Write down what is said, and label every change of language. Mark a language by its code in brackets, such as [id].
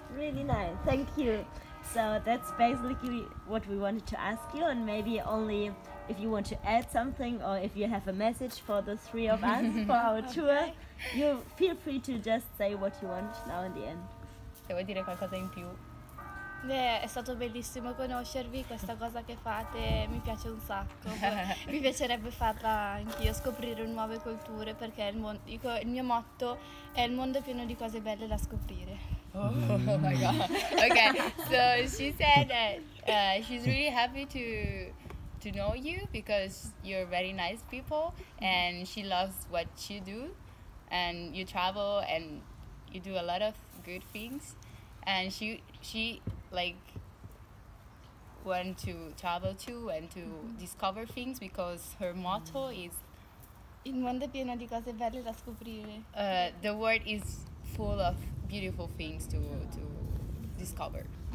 [en] Really nice, thank you. So that's basically what we wanted to ask you, and maybe only if you want to add something or if you have a message for the three of us for our okay. tour, you feel free to just say what you want now in the end. [it] Se vuoi dire qualcosa in più. È stato bellissimo conoscervi, questa cosa che fate mi piace un sacco, mi piacerebbe farla anch'io, scoprire nuove culture, perché il mio motto è il mondo è pieno di cose belle da scoprire. [en] Oh my god. Okay, so she said that she's really happy to know you because you're very nice people and she loves what you do and you travel and you do a lot of good things and she like want to travel too and to discover things because her motto is [it] il mondo è pieno di cose belle da scoprire. [en] The world is full of beautiful things to discover.